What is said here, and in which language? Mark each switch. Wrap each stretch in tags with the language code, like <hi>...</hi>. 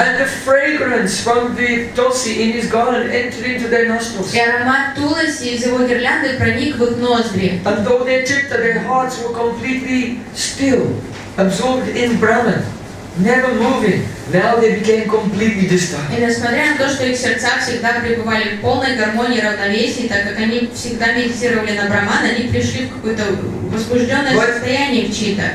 <en>And the fragrance from the tulsi in his garden entered into their nostrils.</en> <ru>И аромат туласи из его гирлянды проник в их ноздри.</ru> <en>And though they chitta, their hearts were completely still, absorbed in Brahman. Never moving. Now they became completely distant.</en> <ru>И несмотря на то, что их сердца всегда пребывали в полной гармонии и равновесии, так как они всегда медитировали на Брахман, они пришли в какое-то возбужденное состояние в чита.</ru>